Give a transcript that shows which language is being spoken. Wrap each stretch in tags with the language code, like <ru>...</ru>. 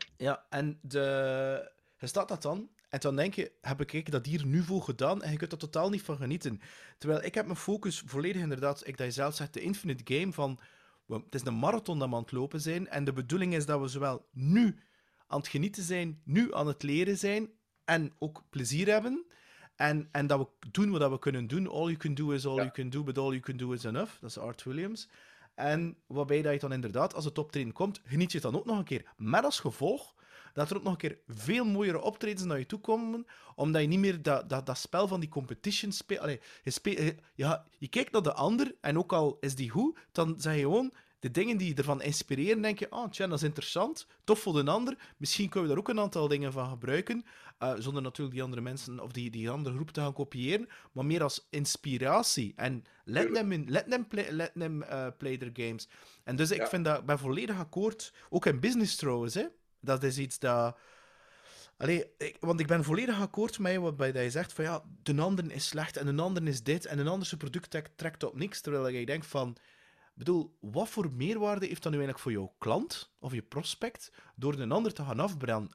<nl>Ja, en je staat dat dan, en dan denk je, heb ik dat hier nu voor gedaan, en je kunt er totaal niet van genieten. Terwijl ik heb mijn focus volledig inderdaad, ik dat je zelf zegt, de infinite game van, het is een marathon dat we aan het lopen zijn, en de bedoeling is dat we zowel nu aan het genieten zijn, nu aan het leren zijn, en ook plezier hebben, en dat we doen wat we kunnen doen.</nl> <en>All you can do is all you can do, but all you can do is enough.</en> <nl>Dat is Art Williams. En waarbij dat je dan inderdaad, als het optreden komt, geniet je het dan ook nog een keer. Met als gevolg dat er ook nog een keer veel mooiere optredens naar je toe komen, omdat je niet meer dat spel van die competition speelt. Je kijkt naar de ander, en ook al is die goed, dan zeg je gewoon, de dingen die je ervan inspireren, denk je, oh, tja, dat is interessant, tof voor de ander, misschien kunnen we daar ook een aantal dingen van gebruiken, zonder natuurlijk die andere mensen of die andere groep te gaan kopiëren, maar meer als inspiratie.</nl> <en>En let them play their games.</en> <nl>En dus ik vind dat, ben volledig akkoord, ook in business trouwens, hè. Dat is iets dat... want ik ben volledig akkoord met wat bij dat je zegt, van ja, de ander is slecht en de ander is dit en een ander zijn product trekt op niks, terwijl je denkt van... Ik bedoel, wat voor meerwaarde heeft dat nu eigenlijk voor jouw klant of je prospect door een ander te gaan afbranden?</nl>